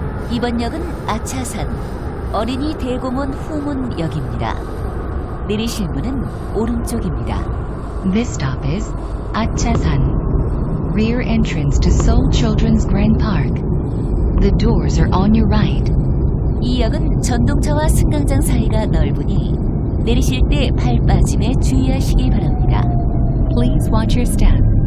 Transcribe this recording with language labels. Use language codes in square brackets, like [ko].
[ko] 이번 역은 아차산, 어린이 대공원 후문역입니다. 내리실 문은 오른쪽입니다. [en] This stop is 아차산. Rear entrance to Seoul Children's Grand Park. The doors are on your right. [ko] 이 역은 전동차와 승강장 사이가 넓으니 내리실 때 발 빠짐에 주의하시기 바랍니다. [en] Please watch your step.